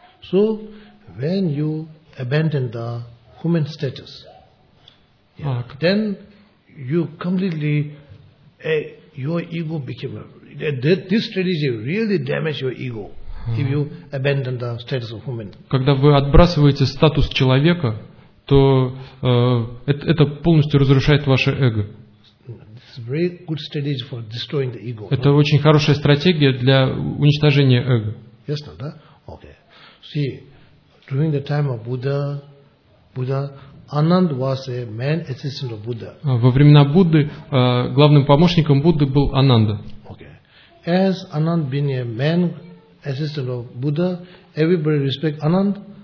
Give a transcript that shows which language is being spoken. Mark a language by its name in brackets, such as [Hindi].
[English] So, when you abandon the human status, then you completely, your ego became, this strategy really damaged your ego. If you abandon the status of human. [Russian] Когда вы отбрасываете статус человека, то это полностью разрушает ваше эго. [English] It's a very good strategy for destroying the ego. [Russian] Это очень хорошая стратегия для уничтожения эго. [English] Yes, no, да? Okay. See, during the time of Buddha, Anand was a main assistant of Buddha. [Russian] Во времена Будды главным помощником Будды был Ананда. [English] Okay. As Anand being a main assistant of Buddha, everybody respect Anand.